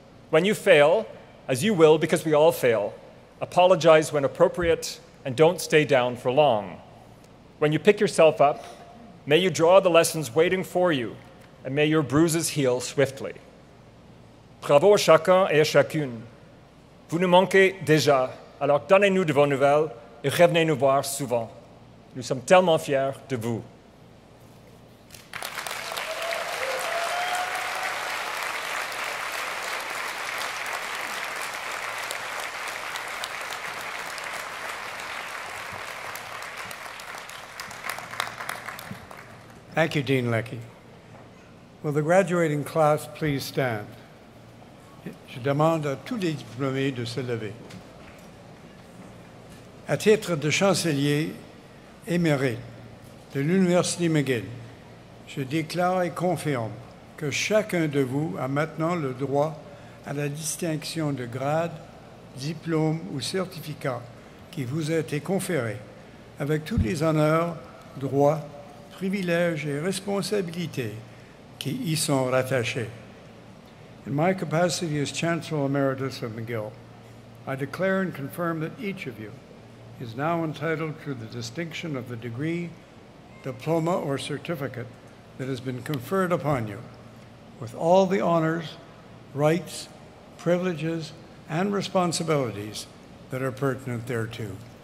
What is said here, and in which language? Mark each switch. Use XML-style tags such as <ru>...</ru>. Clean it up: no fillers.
<en>When you fail, as you will because we all fail, apologize when appropriate and don't stay down for long. When you pick yourself up, may you draw the lessons waiting for you and may your bruises heal swiftly.</en> <fr>Bravo à chacun et à chacune. Vous nous manquez déjà, alors donnez-nous de vos nouvelles et revenez nous voir souvent. Nous sommes tellement fiers de vous.</fr> <en>Thank you, Dean Leckie. Will the graduating class please stand?</en> <fr>Je demande à tous les diplômés de se lever. À titre de chancelier émérite de l'Université McGill, je déclare et confirme que chacun de vous a maintenant le droit à la distinction de grade, diplôme ou certificat qui vous a été conféré avec tous les honneurs, droits, privilèges et responsabilités qui y sont rattachés.</fr> <en>In my capacity as Chancellor Emeritus of McGill, I declare and confirm that each of you is now entitled to the distinction of the degree, diploma, or certificate that has been conferred upon you, with all the honors, rights, privileges, and responsibilities that are pertinent thereto.</en>